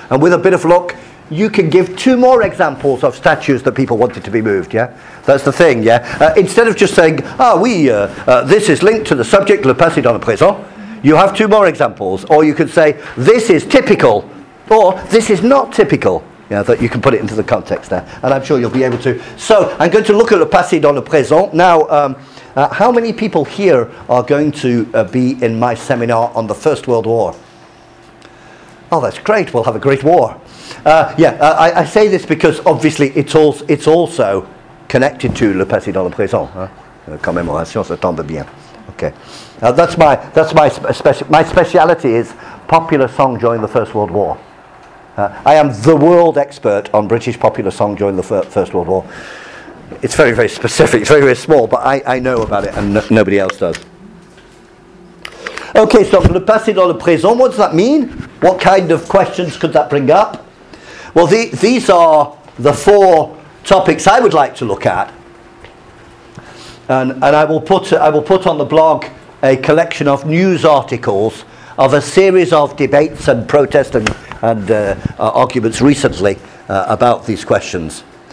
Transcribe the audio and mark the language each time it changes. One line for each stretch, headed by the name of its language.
English: And with a bit of luck, you can give two more examples of statues that people wanted to be moved, yeah? That's the thing, yeah? Instead of just saying, this is linked to the subject,
French: le passé dans le présent,
English: you have two more examples. Or you could say, this is typical, or this is not typical, yeah, that you can put it into the context there. And I'm sure you'll be able to. So, I'm going to look at
French: le passé dans le présent.
English: Now, how many people here are going to be in my seminar on the First World War? Oh, that's great. We'll have a great war. I say this because obviously it's also connected to
French: le passé dans le présent. Commémoration, ça tombe bien.
English: Okay. My speciality is popular song during the First World War. I am the world expert on British popular song during the First World War. It's very, very specific. It's very, very small, but I know about it, and nobody else does. Okay, so
French: le passé dans le présent,
English: what does that mean? What kind of questions could that bring up? Well, these are the four topics I would like to look at. And I will put on the blog a collection of news articles of a series of debates and protests and arguments recently about these questions.